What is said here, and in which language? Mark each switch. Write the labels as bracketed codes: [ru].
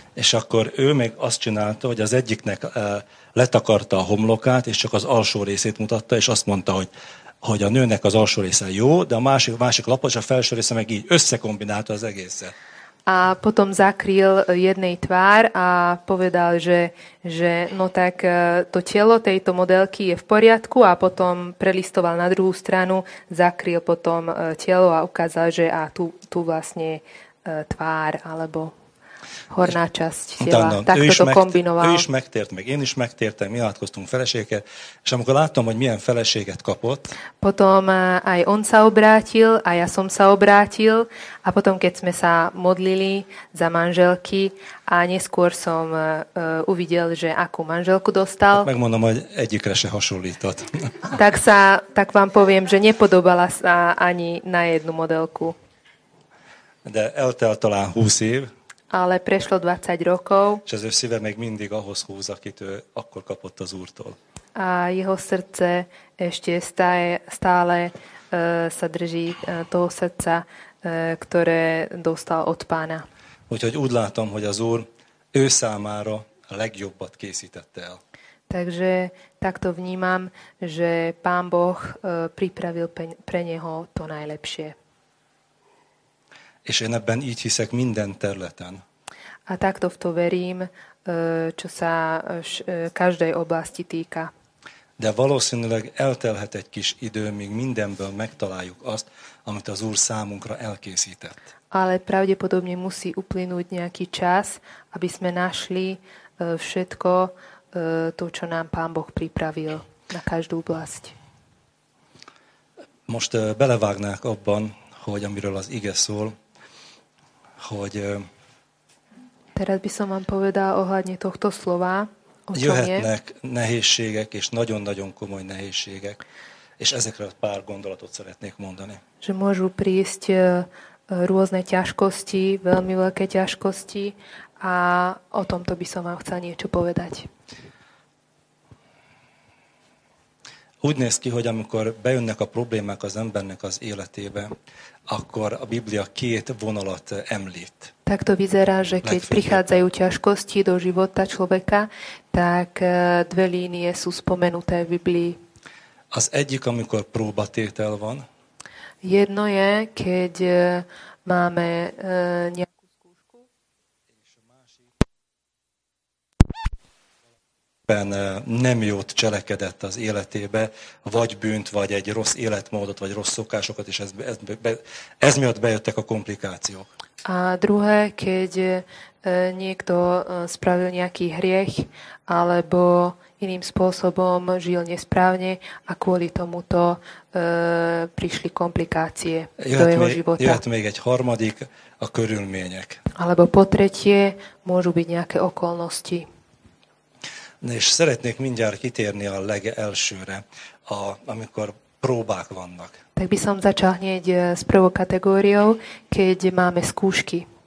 [hu] És akkor ő még azt csinálta, hogy az egyiknek letakarta a homlokát, és csak az alsó részét mutatta, és azt mondta, hogy a nőnek az alsó része jó, de a másik lapos, a felső része meg így összekombinálta az egészet. [sk] A potom zakrýl jednej tvár a povedal, že no tak to telo tejto modelky je v poriadku a potom prelistoval na druhú stranu, zakrýl potom telo a ukázal, že a tu vlastne tvár alebo horná časť tela. Takto to kombinoval. [hu] Ő is megtért, meg én is megtértem, mi látkoztunk feleségekkel, és amikor láttam, hogy milyen feleséget kapott. [sk] Potom aj on sa obrátil, a ja som sa obrátil, a potom, keď sme sa modlili za manželky, a neskôr som uvidel, že akú manželku dostal. [hu] Tak megmondom, hogy egyikre se hasonlított. [sk] Tak vám poviem, že nepodobala sa ani na jednu modelku. [hu] De eltelt talán 20 év. [sk] Ale prešlo 20 rokov. [hu] És az ő szíve még mindig ahhoz húz, akit ő akkor kapott az Úrtól. [sk] A jeho srdce ešte stále sa drží toho srdca, ktoré dostal od Pána. [hu] Úgyhogy úgy látom, hogy az Úr ő számára a legjobbat készítette el. [sk] Takže takto vnímam, že Pán Boh pripravil pre neho to najlepšie. [hu] És én ebben így hiszek minden területen. [sk] A takto v to verím, čo sa každej oblasti týka. [hu] De valószínűleg eltelhet egy kis idő, míg mindenből megtaláljuk azt, amit az Úr számunkra elkészített. [sk] Ale pravdepodobne musí uplynúť nejaký čas, aby sme našli všetko to, čo nám Pán Boh pripravil na každú oblasť. [hu] Most belevágnák abban, hogy amiről az ige szól, hogy [sk] teraz by som vám povedal ohľadne tohto slova, o [hu] jöhetnek nehézségek, és nagyon-nagyon komoly nehézségek, És ezekre pár gondolatot szeretnék mondani. [sk] Že môžu prísť rôzne ťažkosti, veľmi veľké ťažkosti, a o tomto by som vám chcel niečo povedať. [hu] Úgy néz ki, hogy amikor bejönnek a problémák az embernek az életébe, akkor a Biblia két vonalat említ. [sk] Tak to vyzerá, že keď prichádzajú ťažkosti do života človeka, tak dve línie sú spomenuté v Biblii. [hu] Az egyik, amikor próbatétel van. [sk] Jedno je, keď máme nejakú skúšku. [hu] Nem jót cselekedett az életébe, vagy bűnt, vagy egy rossz életmódot, vagy rossz szokásokat, és ez miatt bejöttek a komplikációk. [sk] A druhé, keď niekto spravil nejaký hriech, alebo iným spôsobom žil nesprávne a kvôli tomuto prišli komplikácie do jeho života. [hu] Jöhet még egy harmadik, a körülmények. [sk] Alebo po tretie, môžu byť nejaké okolnosti. [hu] És szeretnék mindjárt kitérni a legelsőre, amikor próbák vannak. [sk] Tak by som začal hneď s prvou kategóriou, keď máme skúšky.